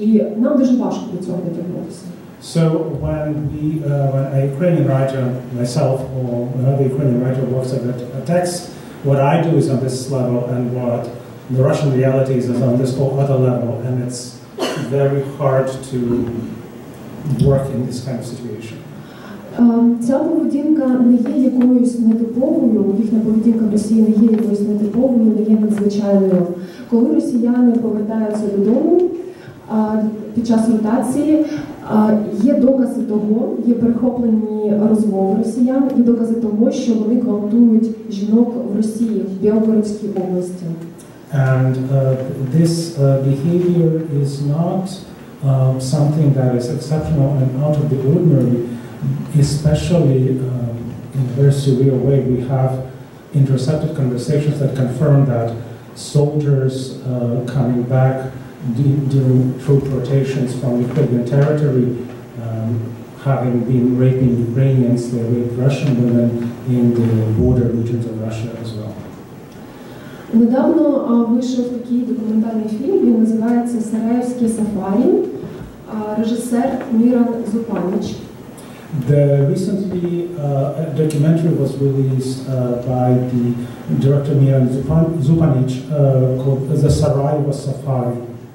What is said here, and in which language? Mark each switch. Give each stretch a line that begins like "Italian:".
Ukrainian: І нам дуже важко до цього дотягнутися.
English: So when we, when a Ukrainian writer, myself, or another Ukrainian writer works on a text, what I do is on this level, and what the Russian reality is on this whole other level, and it's very hard to work in this kind of situation.
Ukrainian: Ця поведінка не є якоюсь нетиповою, їхня поведінка в Росії не є якоюсь нетиповою, не є надзвичайною. Коли росіяни повертаються додому під час ротації, є докази того, є перехоплені розмови росіян і докази того, що вони гвалтують жінок в Росії, в Білгородській області.
English: And this behavior is not something that is exceptional and out of the ordinary, especially in a very surreal way. We have intercepted conversations that confirm that soldiers coming back during troop rotations from Ukrainian territory, having been raping Ukrainians, they raped Russian women in the border regions of Russia as well.
Ukrainian: Недавно вийшов такий документальний фільм, він називається «Сараєвське сафарі», режисер Міра Зупанич.
English: The recently documentary was released by the director Міра Зупанич called «The Сараєво Сафарі».